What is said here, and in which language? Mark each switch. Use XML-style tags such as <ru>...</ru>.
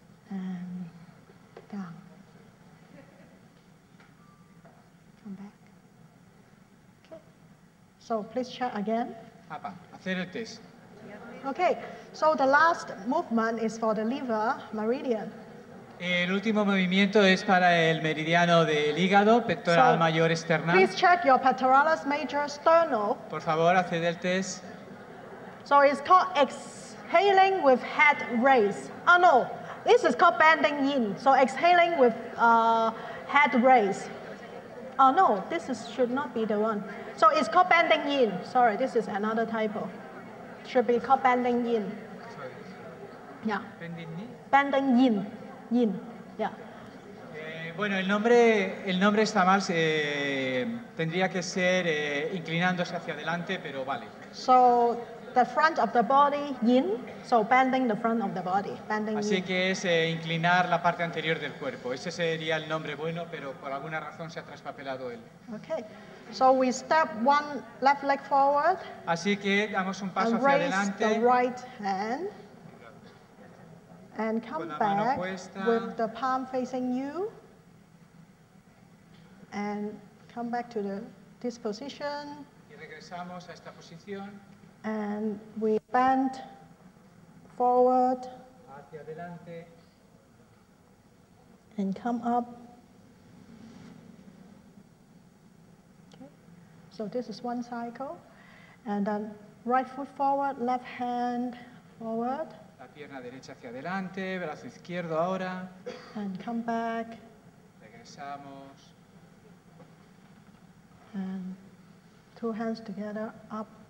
<en>And down. Come back. Okay. So please check again.</en> <es>Papa, hacer el test.</es> <en>Okay. So the last movement is for the liver meridian.</en> <es>El último movimiento es para el meridiano del hígado, pectoral</es> <en>so,</en> <es>mayor external.</es> <en>Please check your pectoralis major sternal.</en> <es>Por favor, haced el test.</es> <en>So it's called exhaling with head raised. Oh no. This is called bending in, so exhaling with head raised. Oh no, this is, should not be the one. So it's called bending in. Sorry, this is another typo. Should be called bending in. Sorry. Yeah. Bending in. Bending in. In. Yeah.</en> <es>Bueno, el nombre está mal. Tendría que ser inclinándose hacia adelante, pero vale.</es> <en>So. The front of the body, yin, so bending the front of the body, bending.</en> <es>Así</es> <en>yin.</en> <es>Que es inclinar la parte anterior del cuerpo. Ese sería el nombre bueno, pero por alguna razón se ha traspapelado él.</es> <en>Okay, so we step one left leg forward.</en> <es>Así que damos un paso</es> <en>and</en> <es>hacia adelante.</es> <en>Raise the right hand and come back</en> <es>puesta.</es> <en>With the palm facing you and come back to this position.</en> <es>Y regresamos a esta posición.</es> <en>And we bend forward</en> <es>hacia adelante.</es> <en>And come up. Okay. So this is one cycle. And then right foot forward, left hand forward.</en> <es>La pierna derecha hacia adelante, brazo izquierdo ahora.</es> <en>And come back.</en> <es>Regresamos.</es> <en>And two hands together up.</en>